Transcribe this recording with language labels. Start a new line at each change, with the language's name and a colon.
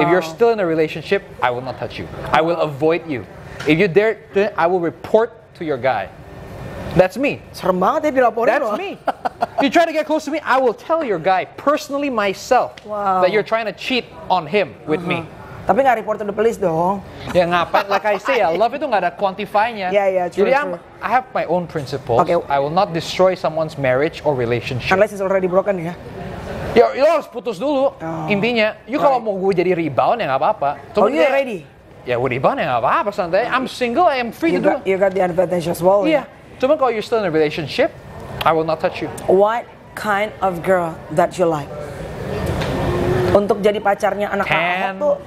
English: If you're still in a relationship, I will not touch you. I will avoid you. If you dare, then I will report to your guy. That's me.
Indonesian: Serem banget ya dilaporin.
English: That's me. You try to get close to me, I will tell your guy personally myself that you're trying to cheat on him with me.
Indonesian: Tapi nggak
English: report to the police
Indonesian: dong. Ya ngapain?
English: Like I say,
Indonesian: love itu nggak ada quantifiernya.
English: Yeah, true. I have my own principles. Okay. I will not destroy someone's marriage or relationship. Unless it's already broken ya.
Indonesian: Ya, lo harus putus dulu. Oh. Intinya, kalau mau gue jadi rebound ya nggak apa-apa. Cuma
English: oh, you ready?
Indonesian: Ya, gue rebound ya nggak apa-apa. Santai.
English: I'm single. I am free to do. You got the advantage as well. Yeah.
Indonesian: Cuma kalau
English: you're still in a relationship, I will not touch you. What kind of girl that you like?
Indonesian: Untuk jadi pacarnya anak Ahok tuh